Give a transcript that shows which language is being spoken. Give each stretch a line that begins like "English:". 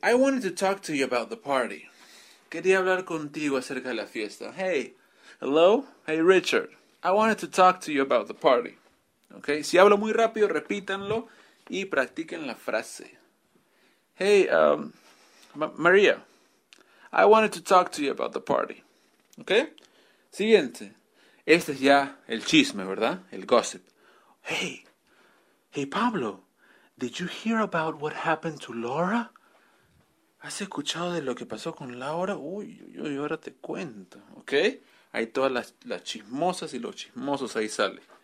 English: I wanted to talk to you about the party.
Spanish: Quería hablar contigo acerca de la fiesta.
English: Hey. Hello. Hey, Richard. I wanted to talk to you about the party. Okay.
Spanish: Si hablo muy rápido, repítanlo y practiquen la frase.
English: Hey, Maria. I wanted to talk to you about the party.
Spanish: Okay. Siguiente. Este es ya el chisme, ¿verdad? El gossip. Hey. Hey, Pablo.
English: Did you hear about what happened to Laura?
Spanish: ¿Has escuchado de lo que pasó con Laura? Uy, ahora te cuento. Okay. Hay todas las chismosas y los chismosos ahí sale.